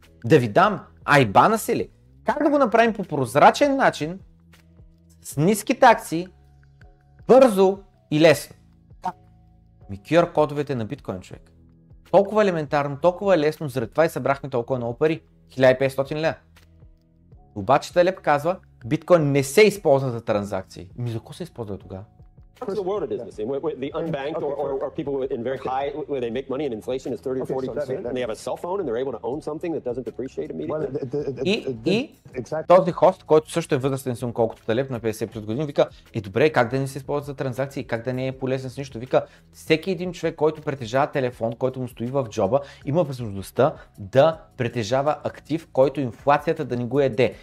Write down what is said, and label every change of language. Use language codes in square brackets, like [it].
[bg] Да ви дам айбана си ли? Как да го направим по прозрачен начин, с ниски такси, бързо и лесно? QR кодовете на биткоин, човек. Толкова елементарно, толкова лесно, заради това и събрахме толкова много пари. 1500 лева. Обаче Талеб казва, биткоин не се използва за транзакции. Ми за какво се използва тогава? [en] The world of business, the unbanked or people in very high, where they make money and inflation is 30-40%, and they have a cell phone and they're able to own something that doesn't depreciate immediately. [bg] И този хост, който също е възрастен сум колкото Талеб на 50 години, вика, е добре, как да не се използва за транзакции, как да не е полезен с нищо? Вика, всеки един човек, който притежава телефон, който му стои в джоба, има възможността да притежава актив, който инфлацията да не го яде.